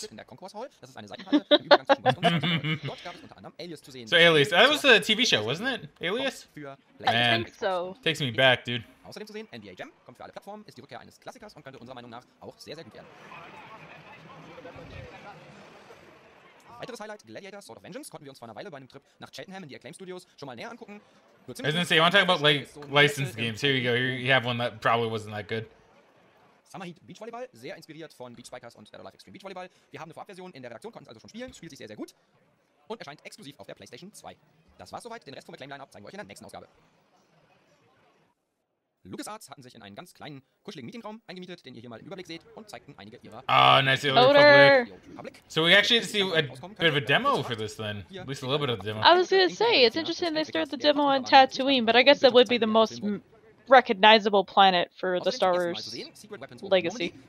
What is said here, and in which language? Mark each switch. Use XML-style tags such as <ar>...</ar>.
<en>So Alias, that was a TV show, wasn't it? Alias? Man, takes me back, dude.</en> <de>Außerdem zu sehen, NBA Jam kommt für alle Plattformen, ist die Rückkehr eines Klassikers und könnte unserer Meinung nach auch sehr, sehr gut werden. Weiteres Highlight, Gladiator, Sword of Vengeance, konnten wir uns vor einer Weile bei einem Trip nach Cheltenham in die Acclaim Studios schon mal näher angucken.</de> <en>I was gonna say, you wanna talk about, like, licensed games. Here you go, you have one that probably wasn't that good.</en> <de>Summer Heat Beach Volleyball, sehr inspiriert von Beach Spikers und Dead or Alive Extreme Beach Volleyball. Wir haben eine Vorabversion in der Redaktion, konnten es also schon spielen, spielt sich sehr, sehr gut und erscheint exklusiv auf der PlayStation 2. Das war's soweit, den Rest vom Acclaim Lineup zeigen wir euch in der nächsten Ausgabe. LucasArts hatten sich in einen ganz kleinen, kuscheligen Meetingraum eingemietet, den ihr hier mal im Überblick seht, und zeigten einige ihrer...</de> <en>Ah, oh, nice. Republic. So we actually see a bit of a demo for this, then. At least a little bit of a demo. I was gonna say, it's interesting they start the demo on Tatooine, but I guess that would be the most recognizable planet for the Star Wars Legacy.</en>